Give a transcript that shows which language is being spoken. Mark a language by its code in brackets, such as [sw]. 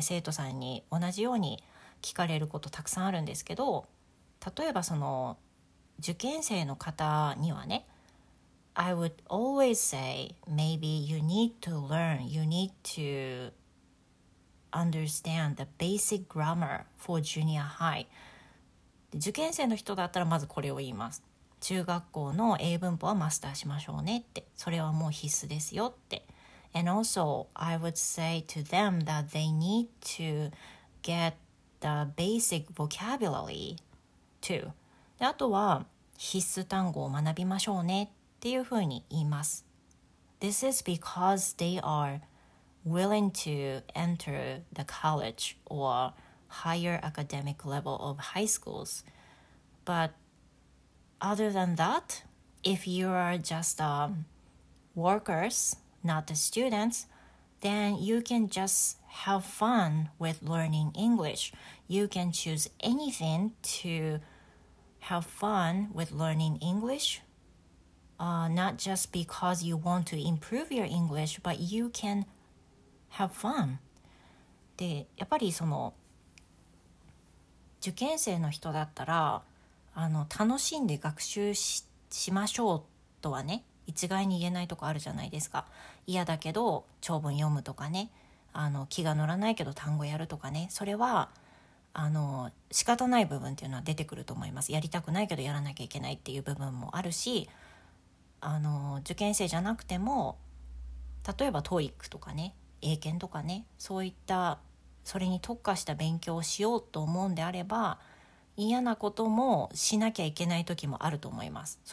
[ja] 生徒さんに同じように聞かれることたくさんあるんですけど、例えばその受験生の方にはね、 [en] I would always say maybe you need to learn, you need to understand the basic grammar for junior high。 [ja] で、受験生の人だったらまずこれを言います。中学校の英文法はマスターしましょうねって、それはもう必須ですよって。 [en] And also I would say to them that they need to get the basic vocabulary too。 [ja] であとは必須単語を学びましょうねっていうふうに言います。 [en] This is because they are willing to enter the college or higher academic level of high schools, butOther than that, if you are just workers, not the students, then you can just have fun with learning English. You can choose anything to have fun with learning English, not just because you want to improve your English, but you can have fun. [ja] で、やっぱりその受験生の人だったら、楽しんで学習 しましょうとはね、一概に言えないとこあるじゃないですか。嫌だけど長文読むとかね、気が乗らないけど単語やるとかね、それは仕方ない部分っていうのは出てくると思います。やりたくないけどやらなきゃいけないっていう部分もあるし、受験生じゃなくても例えば TOEIC とかね、英検とかね、そういったそれに特化した勉強をしようと思うんであれば、嫌なこともしなきゃいけない時もあると思います。